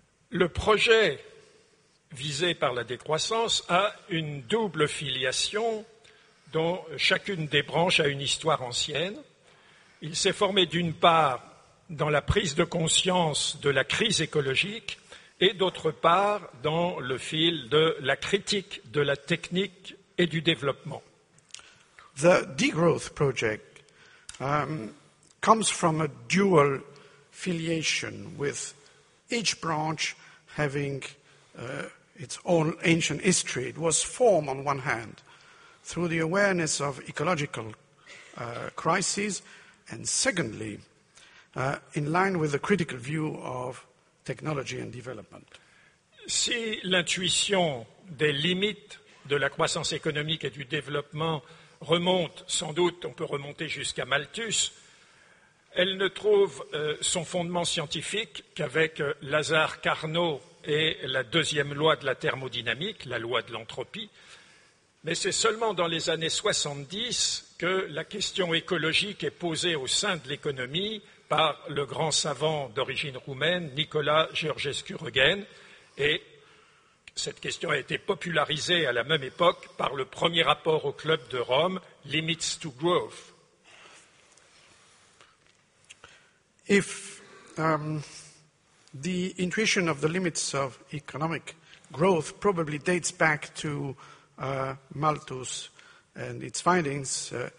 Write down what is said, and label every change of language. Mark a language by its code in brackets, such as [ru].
[fr] Le projet visé par la décroissance a une double filiation dont chacune des branches a une histoire ancienne. Il s'est formé d'une part dans la prise de conscience de la crise écologique et d'autre part dans le fil de la critique de la technique et du développement. [en] The degrowth project comes from a dual filiation with each branch having its own ancient history. It was formed on one hand through the awareness of ecological crises and secondly in line with the critical view of technology and development. [fr] Si l'intuition des limites de la croissance économique et du développement remonte, sans doute, on peut remonter jusqu'à Malthus, elle ne trouve son fondement scientifique qu'avec Lazare Carnot et la deuxième loi de la thermodynamique, la loi de l'entropie. Mais c'est seulement dans les années 70 que la question écologique est posée au sein de l'économie par le grand savant d'origine roumaine, Nicolae Georgescu Răghen, et cette question a été popularisée à la même époque par le premier rapport au Club de Rome, Limits to Growth. [en] If the intuition of the limits of economic growth probably dates back to Malthus and its findings,